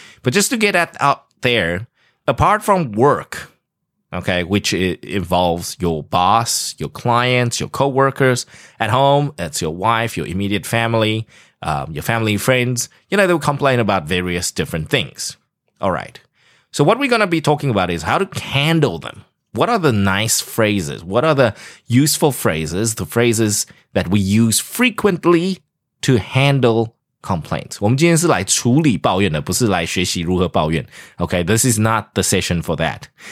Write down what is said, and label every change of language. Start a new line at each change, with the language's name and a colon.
English: But just to get that out there， apart from work， OK， which involves your boss， your clients， your coworkers at home， it's your wife， your immediate family， your family friends， you know they'll complain about various different things。All right。So what we're going to be talking about is how to handle them What are the nice phrases? What are the useful phrases? The phrases that we use frequently to handle complaints.
Chinese: 我们今天是来处理抱怨的，不是来学习如何抱怨。
English: Okay, this is not the session for that.